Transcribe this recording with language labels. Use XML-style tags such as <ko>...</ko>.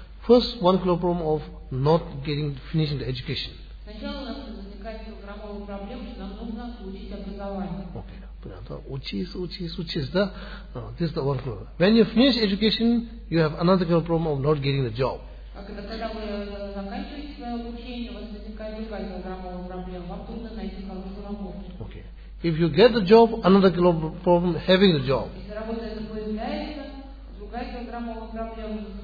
<en>First 1 kilogram problem of not getting finishing the education.</en> <ru>Сначала у нас возникает килограммовая проблема, что нам нужно получить образование. Окей, понятно. Учись, да?</ru> <en>This is the 1 kilogram. When you finish education, you have another kilogram problem of not getting the job.</en> <ru>Когда вы заканчиваете свое обучение, у вас возникает другая килограммовая проблема. Вам трудно найти хорошую работу. Окей.</ru> <en>If you get the job, another kilogram problem having the job.</en> <ru>Если работа это появляется, другая килограммовая проблема.</ru>